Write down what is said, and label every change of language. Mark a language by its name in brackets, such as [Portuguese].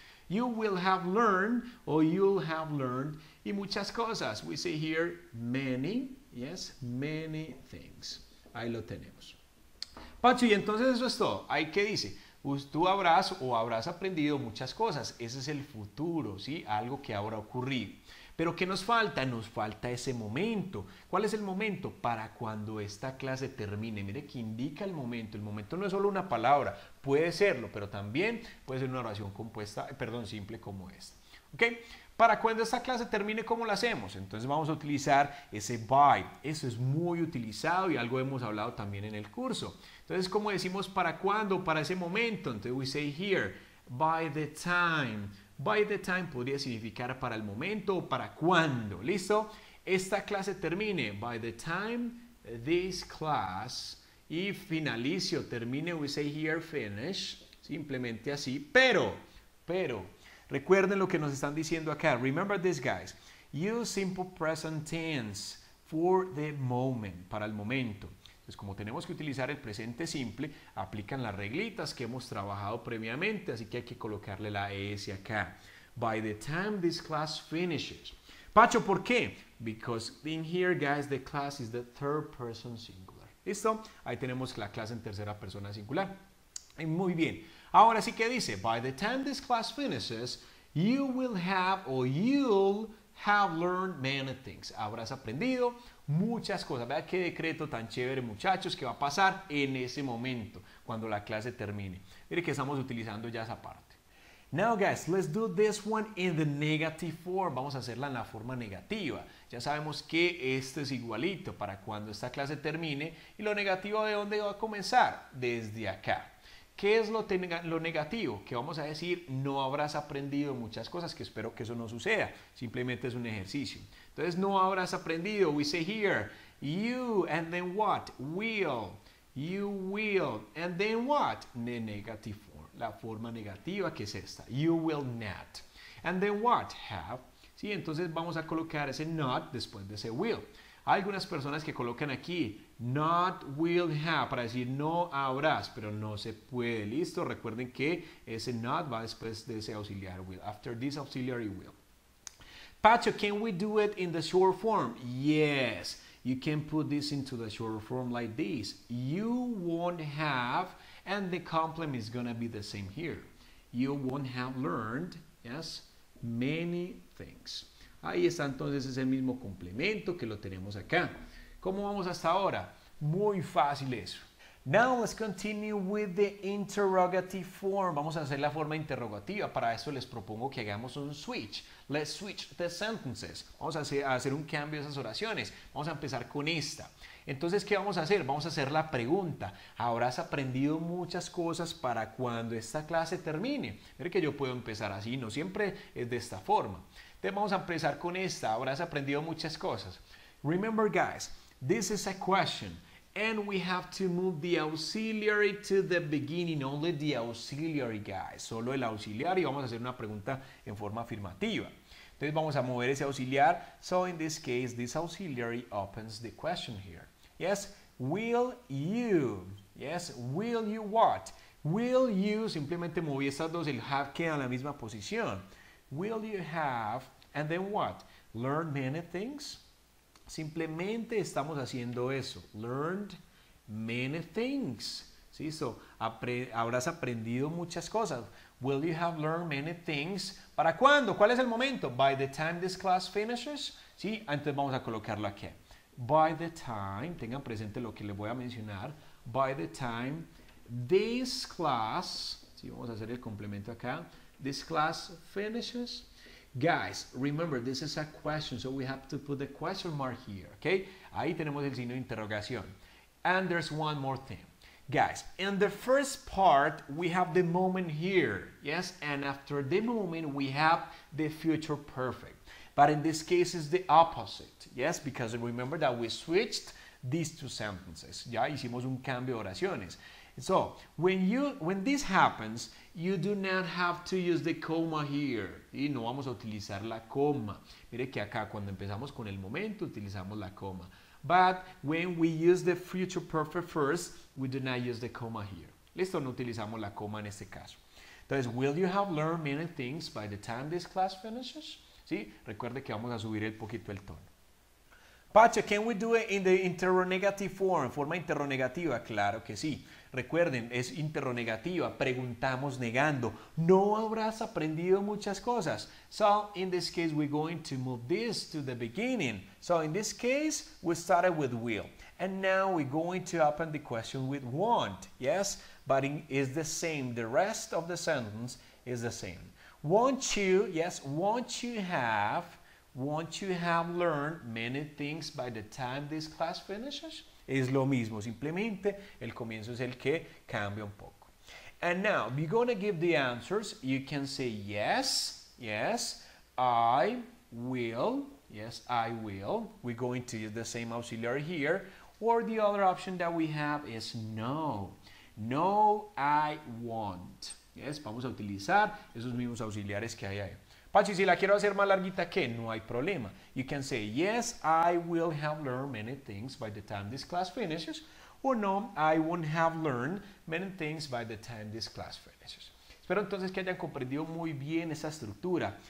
[English] You will have learned or you'll have learned [Spanish] y muchas cosas. [English] We say here many, yes, many things. [Spanish] Ahí lo tenemos. Pacho, y entonces eso es todo. Ahí qué dice. Tú habrás o habrás aprendido muchas cosas. Ese es el futuro, ¿sí? Algo que ahora ha ocurrido. ¿Pero qué nos falta? Nos falta ese momento. ¿Cuál es el momento? Para cuando esta clase termine. Mire que indica el momento. El momento no es solo una palabra. Puede serlo, pero también puede ser una oración compuesta, perdón, simple como esta. ¿Ok? Para cuando esta clase termine, ¿cómo la hacemos? Entonces vamos a utilizar ese by. Eso es muy utilizado y algo hemos hablado también en el curso. Entonces, ¿cómo decimos para cuándo? Para ese momento. [English] Entonces, we say here, by the time. By the time [Spanish] podría significar para el momento o para cuándo. [English] ¿Listo? [Spanish] Esta clase termine. [English] By the time this class. [Spanish] Y finalice o termine, [English] we say here, finish. [Spanish] Simplemente así. Pero. Recuerden lo que nos están diciendo acá. [English] Remember this, guys. Use simple present tense for the moment. [Spanish] Para el momento. Entonces, como tenemos que utilizar el presente simple, aplican las reglitas que hemos trabajado previamente. Así que hay que colocarle la S acá. [English] By the time this class finishes. Pacho, [Spanish] ¿por qué? [English] Because in here, guys, the class is the third person singular. [Spanish] ¿Listo? Ahí tenemos la clase en tercera persona singular. Muy bien. Ahora sí que dice, [English] by the time this class finishes, you will have or you'll Have learned many things. [Spanish] Habrás aprendido muchas cosas. Vea qué decreto tan chévere, muchachos, que va a pasar en ese momento, cuando la clase termine. Mire que estamos utilizando ya esa parte. [English] Now, guys, let's do this one in the negative form. [Spanish] Vamos a hacerla en la forma negativa. Ya sabemos que este es igualito para cuando esta clase termine. ¿Y lo negativo de dónde va a comenzar? Desde acá. ¿Qué es lo negativo? Que vamos a decir, no habrás aprendido muchas cosas, que espero que eso no suceda. Simplemente es un ejercicio. Entonces, no habrás aprendido. [English] We say here, you, and then what? Will. You will. And then what? The negative form. [Spanish] La forma negativa, que es esta. [English] You will not. And then what? Have. [Spanish] Sí, entonces vamos a colocar ese not después de ese will. Hay algunas personas que colocan aquí [English] not will have [Spanish] para decir no habrás, pero no se puede. Listo, recuerden que ese not va después de ese auxiliar will, [English] after this auxiliary will. Pacho, can we do it in the short form? Yes, you can put this into the short form like this. You won't have, and the complement is going to be the same here. You won't have learned, yes, many things. [Spanish] Ahí está entonces ese mismo complemento que lo tenemos acá. ¿Cómo vamos hasta ahora? Muy fácil eso. Now let's continue with the interrogative form. Vamos a hacer la forma interrogativa. Para eso les propongo que hagamos un switch. [English] Let's switch the sentences. [Spanish] Vamos a hacer un cambio de esas oraciones. Vamos a empezar con esta. Entonces, ¿qué vamos a hacer? Vamos a hacer la pregunta. ¿Habrás aprendido muchas cosas para cuando esta clase termine? Mira que yo puedo empezar así. No siempre es de esta forma. Entonces, vamos a empezar con esta. ¿Habrás aprendido muchas cosas? [English] Remember, guys, this is a question. And we have to move the auxiliary to the beginning. Only the auxiliary, guys. [Spanish] Solo el auxiliar. Y vamos a hacer una pregunta en forma afirmativa. Entonces, vamos a mover ese auxiliar. [English] So, in this case, this auxiliary opens the question here. Yes, will you? Yes, will you what? Will you? [Spanish] Simplemente moví estas dos. El have queda en la misma posición. [English] Will you have, and then what? Learned many things? [Spanish] Simplemente estamos haciendo eso. [English] Learned many things. [Spanish] ¿Sí? [English] So, [Spanish] habrás aprendido muchas cosas. [English] Will you have learned many things? [Spanish] ¿Para cuándo? ¿Cuál es el momento? [English] By the time this class finishes. [Spanish] ¿Sí? Entonces vamos a colocarlo aquí. [English] By the time, [Spanish] tengan presente lo que les voy a mencionar. [English] By the time this class, ¿sí? [Spanish] Vamos a hacer el complemento acá. [English] This class finishes. Guys, remember, this is a question, so we have to put the question mark here, okay? [Spanish] Ahí tenemos el signo de interrogación. [English] And there's one more thing. Guys, in the first part, we have the moment here, yes? And after the moment, we have the future perfect. But in this case, it's the opposite, yes? Because remember that we switched these two sentences. [Spanish] Ya hicimos un cambio de oraciones. [English] So, when this happens, you do not have to use the comma here. [Spanish] Y no vamos a utilizar la coma. Mire que acá, cuando empezamos con el momento, utilizamos la coma. [English] But when we use the future perfect first, we do not use the comma here. [Spanish] Listo, no utilizamos la coma en este caso. [English] Entonces, will you have learned many things by the time this class finishes? [Spanish] ¿Sí? Recuerde que vamos a subir un poquito el tono. [English] Pacha, can we do it in the interrogative form? [Spanish] Forma interrogativa, claro que sí. Recuerden, es interrogativa, preguntamos negando. ¿No habrás aprendido muchas cosas? [English] So, in this case, we're going to move this to the beginning. So, in this case, we started with will. And now we're going to open the question with won't. Yes, but it's the same. The rest of the sentence is the same. Won't you, yes, won't you have... Won't you have learned many things by the time this class finishes? [Spanish] Es lo mismo, simplemente el comienzo es el que cambia un poco. [English] And now, we're going to give the answers. You can say yes, yes, I will, yes, I will. We're going to use the same auxiliary here. Or the other option that we have is no. No, I won't. [Spanish] Yes, vamos a utilizar esos mismos auxiliares que hay ahí. Pachi, si la quiero hacer más larguita, ¿qué? No hay problema. [English] You can say, yes, I will have learned many things by the time this class finishes. Or no, I won't have learned many things by the time this class finishes. [Spanish] Espero entonces que hayan comprendido muy bien esa estructura.